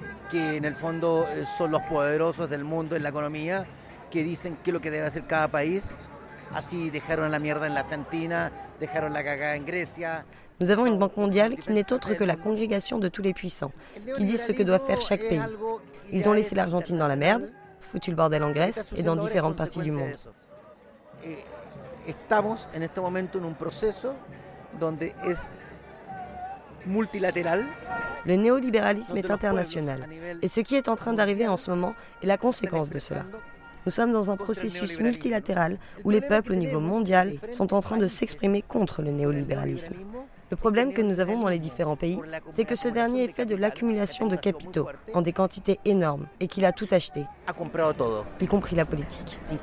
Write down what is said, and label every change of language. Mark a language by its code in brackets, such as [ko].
[es] Que en el fondo son los poderosos del mundo en la economía que dicen qué es lo que debe hacer cada país. Así dejaron la mierda en la Argentina, dejaron la cagada en Grecia. [fr] Nous avons une banque mondiale qui n'est autre que la congrégation de tous les puissants, qui disent ce que doit faire chaque pays. Ils ont laissé l'Argentine dans la merde, foutu le bordel en Grèce et dans différentes parties du monde. [es] Estamos en este momento en un proceso donde es multilatéral. [fr] Le néolibéralisme est international et ce qui est en train d'arriver en ce moment est la conséquence de cela. Nous sommes dans un processus multilatéral où les peuples au niveau mondial sont en train de s'exprimer contre le néolibéralisme. Le problème que nous avons dans les différents pays, c'est que ce dernier est fait de l'accumulation de capitaux en des quantités énormes et qu'il a tout acheté, y compris la politique.